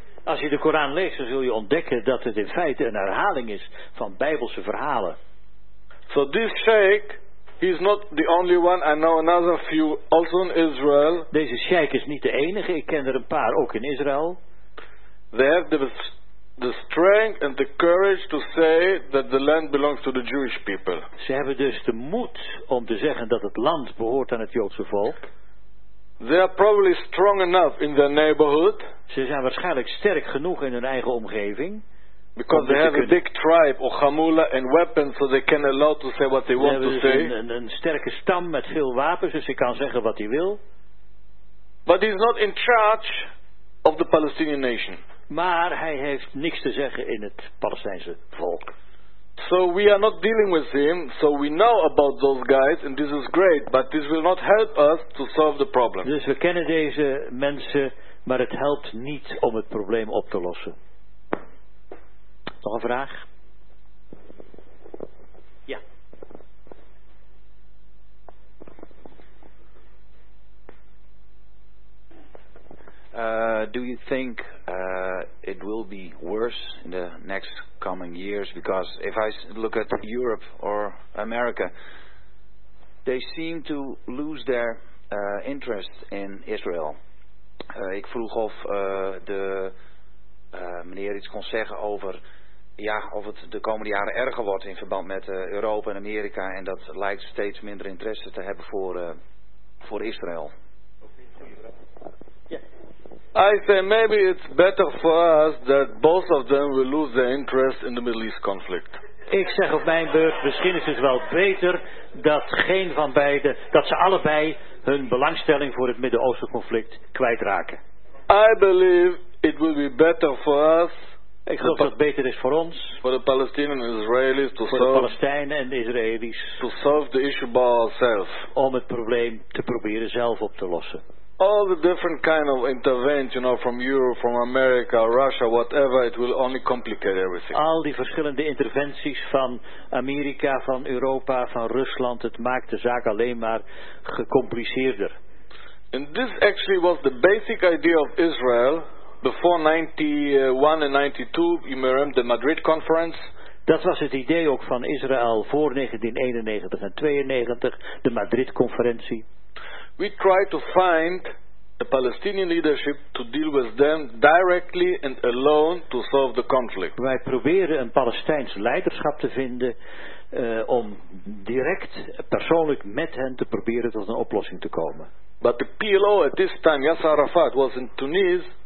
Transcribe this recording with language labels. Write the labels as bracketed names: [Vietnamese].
[Dutch] Als je de Koran leest, dan zul je ontdekken dat het in feite een herhaling is van Bijbelse verhalen. [English] So this sheikh, he's not the only one. I know another few also in Israel. [Dutch] Deze sheikh is niet de enige. Ik ken er een paar ook in Israël. [English] They have the strength and the courage to say that the land belongs to the Jewish people. [Dutch] Ze hebben dus de moed om te zeggen dat het land behoort aan het Joodse volk. [English] They are probably strong enough in their neighborhood. [Dutch] Ze zijn waarschijnlijk sterk genoeg in hun eigen omgeving. [English] Because they have a big tribe or gamula and weapons, so they can allow to say what they want to say. [Dutch] Een sterke stam met veel wapens, dus hij kan zeggen wat hij wil. [English] But he's not in charge of the Palestinian nation. [Dutch] Maar hij heeft niks te zeggen in het Palestijnse volk. [English] So we are not dealing with him, so we know about those guys, and this is great, but this will not help us to solve the problem. [Dutch] Dus we kennen deze mensen, maar het helpt niet om het probleem op te lossen. Nog een vraag? Ja. [English] Do you think it will be worse in the next coming years? Because if I look at Europe or America, they seem to lose their interest in Israel. [Dutch] Ik vroeg of meneer iets kon zeggen over of het de komende jaren erger wordt in verband met Europa en Amerika, en dat lijkt steeds minder interesse te hebben voor Israël. [English] I say maybe it's better for us that both of them will lose their interest in the Middle East conflict. [Dutch] Ik zeg op mijn beurt, misschien is het wel beter dat geen van beiden, dat ze allebei hun belangstelling voor het Midden-Oosten conflict kwijtraken. [English] I believe it will be better for us. [Dutch] Ik geloof dat het beter is voor ons. [English] For the Palestinians and Israelis to solve. [Dutch] Voor de Palestijnen en de Israëli's. [English] To solve the issue by ourselves. [Dutch] Om het probleem te proberen zelf op te lossen. [English] All the different kind of interventions, you know, from Europe, from America, Russia, whatever, it will only complicate everything. [Dutch] Al die verschillende interventies van Amerika, van Europa, van Rusland, het maakt de zaak alleen maar gecompliceerder. [English] And this actually was the basic idea of Israel before 91 and 92, you may remember the Madrid conference. [Dutch] Dat was het idee ook van Israël voor 1991 en 92, de Madrid conferentie. [English] We try to find a Palestinian leadership to deal with them directly and alone to solve the conflict. [Dutch] Wij proberen een Palestijns leiderschap te vinden om direct persoonlijk met hen te proberen tot een oplossing te komen. [English] But the PLO at this time, Yasser Arafat, was in Tunis.